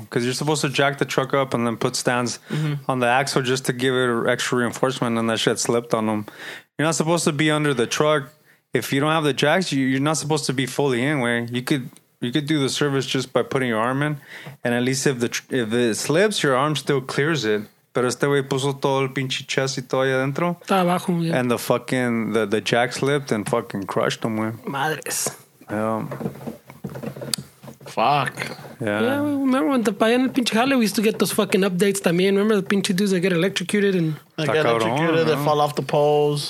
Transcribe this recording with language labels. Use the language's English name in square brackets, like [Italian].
[English] Because you're supposed to jack the truck up and then put stands on the axle just to give it extra reinforcement. And that shit slipped on him. You're not supposed to be under the truck. If you don't have the jacks, you're not supposed to be fully in, way. You could do the service just by putting your arm in, and at least if it slips, your arm still clears it. [Spanish] Pero este güey puso todo el pinche chest y todo ahí adentro. Está abajo, [English] yeah. And the fucking the jack slipped and fucking crushed him, way. [Spanish] Madres. [English] Yeah. Fuck. Yeah. Yeah, remember when the pay in the [Spanish] pinche jale, [English] we used to get those fucking updates [Spanish] también. [English] Remember the pinche dudes that get electrocuted and they fall off the poles.